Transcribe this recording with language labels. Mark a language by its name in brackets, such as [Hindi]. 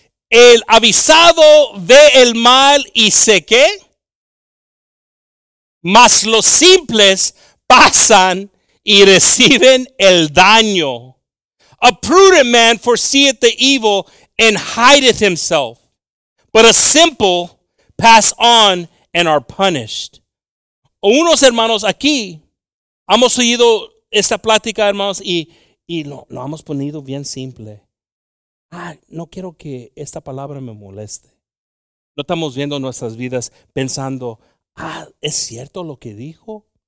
[Spanish] El avisado ve el mal y sé qué. Mas los simples pasan y reciben el daño. [English] A prudent man foreseeth the evil and hideth himself. But a simple pass on and are punished. [Spanish] Unos hermanos aquí. Hemos oído esta plática, hermanos, y lo hemos ponido bien simple. Ah, no quiero que esta palabra me moleste. No estamos viendo nuestras vidas pensando, ah, ¿es cierto lo que dijo?